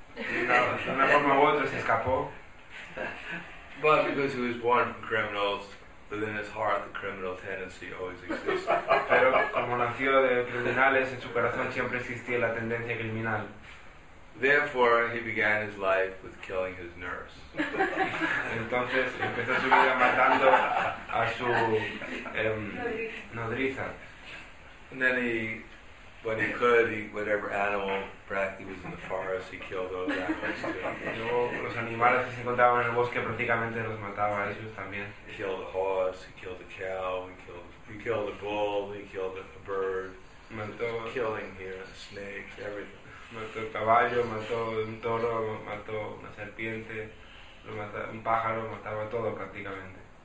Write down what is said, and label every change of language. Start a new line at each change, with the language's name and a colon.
English: But because he was born from criminals, within his heart the criminal tendency always existed. Therefore, he began his life with killing his nurse.
Spanish: Entonces empezó su vida matando a su nodriza.
English: And then he, when he could, he, whatever animal, practically was in the forest, he killed those animals too.
Spanish: Y luego los animales que se encontraban en el bosque prácticamente los mataba a ellos también.
English: He killed a horse, he killed a cow, he killed a bull, he killed a bird.
Spanish: Mató.
English: Killing here, a snake, everything.
Spanish: Mató un caballo, mató un toro, mató una serpiente, lo mataba, un pájaro, mataba todo prácticamente.